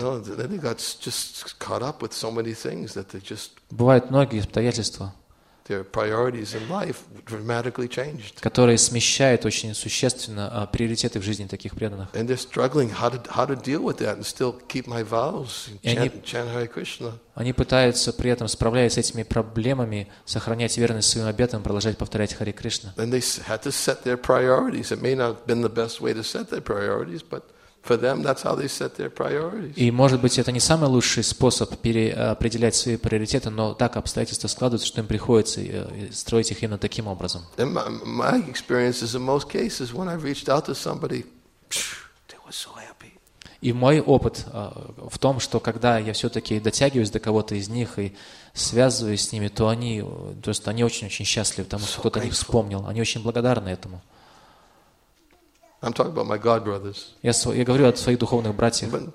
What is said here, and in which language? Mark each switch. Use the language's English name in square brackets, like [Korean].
[English] You know, they got just caught up with so many things that they just. [Russian] Бывают многие обстоятельства. [English] Their priorities in life dramatically changed. [Russian] Которые смещают очень существенно приоритеты в жизни таких преданных. [English] And they're struggling how to deal with that and still keep my vows and chant Hare Krishna. [Russian] Они пытаются при этом справляясь с этими проблемами сохранять верность своим обетам, продолжать повторять Хари Кришна. [English] And they had to set their priorities. It may not have been the best way to set their priorities, but for them, that's how they set their priorities. [Russian] И может быть это не самый лучший способ переопределять свои приоритеты, но так обстоятельства складываются, что им приходится строить их именно таким образом. [English] And my experience is in most cases when I've reached out to somebody, they were so happy. [Russian] И мой опыт в том, что когда я все-таки дотягиваюсь до кого-то из них и связываюсь с ними, то они, то есть они очень-очень счастливы, потому что кто-то о них вспомнил, они очень благодарны этому. [English] I'm talking about my God brothers. [Russian] Я говорю о своих духовных братьях.